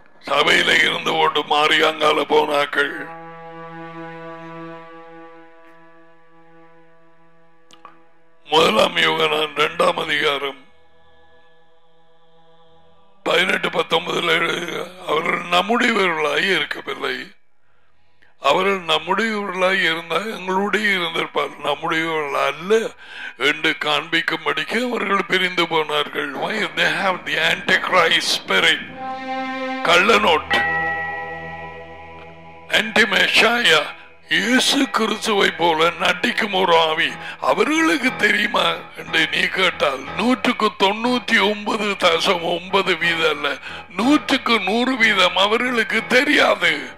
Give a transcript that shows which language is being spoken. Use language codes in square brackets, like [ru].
[ta] சபையில இருந்து கொண்டு மாறியாங்கால போனாக்கள் முதலாம் யோகனான் 2 அதிகாரம் 18-19 அவர்கள் நம்முடையவர்களாய் இருக்கவில்லை. அவர்கள் நம்முடையவர்களாய் இருந்தால் எங்களுடைய இருந்திருப்பார். நம்முடையவர்கள் அல்ல என்று காண்பிக்கும்படிக்கு அவர்கள் பிரிந்து போனார்கள். [en] Why they have the Antichrist spirit. [ta] கள்ளநோட் Antimeshiah. இயேசு கிறிஸ்துவை போல நடிக்கும் ஒரு ஆவி அவர்களுக்கு தெரியுமா என்று நீ கேட்டால் 100 to 99.9% அவர்களுக்கு தெரியாது.